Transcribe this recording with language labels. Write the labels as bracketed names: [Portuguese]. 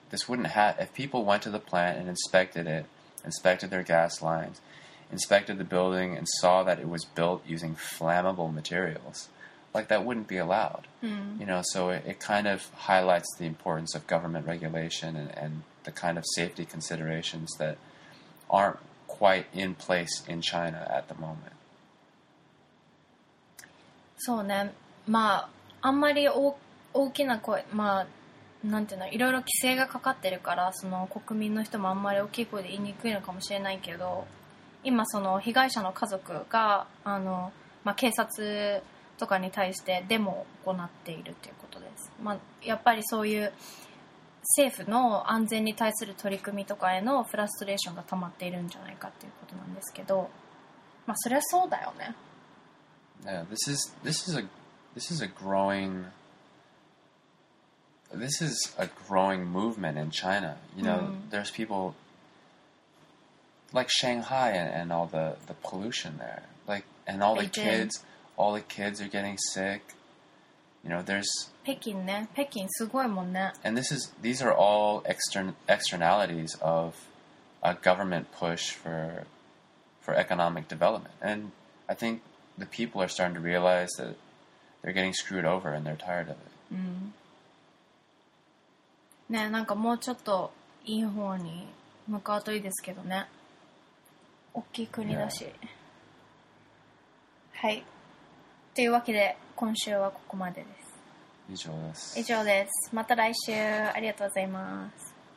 [English] This wouldn't happen if people went to the plant and inspected it. Inspected their gas lines, inspected the building, and saw that it was built using flammable materials. Like, that wouldn't be allowed. Mm. You know, so it kind of highlights the importance of government regulation and the kind of safety considerations that aren't quite in place in China at the moment. [Japanese] そうね。まあ、あんまり大きな声、まあ、なんていうの、いろいろ規制がかかってるから、その国民の人もあんまり大きい声で言いにくいのかもしれないけど、今その被害者の家族が、まあ、警察とかに対してデモを行っているということです。まあ、やっぱりそういう政府の安全に対する取り組みとかへのフラストレーションが溜まっているんじゃないかっていうことなんですけど、まあ、それはそうだよね。 [English] Yeah, this is a growingThis is a growing movement in China. You know, there's people like Shanghai and all the pollution there. Like, and all Beijing. The kids, all the kids are getting sick. You know, there's... [Japanese] Peking, ne? Peking, すごいもんね。 [English] And these are all externalities of a government push for for economic development. And I think the people are starting to realize that they're getting screwed over and they're tired of it. [Japanese] ね、なんかもうちょっといい方に向かうといいですけどね。大きい国だし。Yeah. はい。というわけで今週はここまでです。以上です。以上です。また来週。ありがとうございます。